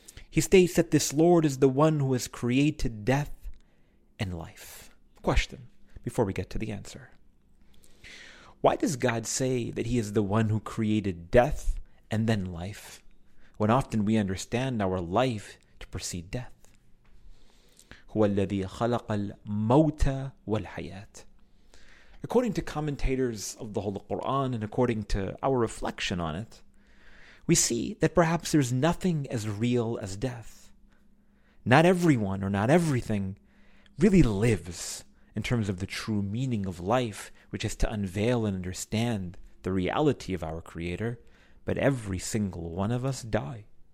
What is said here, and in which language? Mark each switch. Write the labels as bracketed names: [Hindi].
[English] He states that this Lord is the one who has created death and life. Question, before we get to the answer. Why does God say that he is the one who created death and then life, when often we understand our life to precede death? [Arabic] هو الذي خلق الموت والحياة. [English] According to commentators of the Holy Quran and according to our reflection on it, we see that perhaps there's nothing as real as death. Not everyone or not everything really lives in terms of the true meaning of life, which is to unveil and understand the reality of our Creator, but every single one of us die.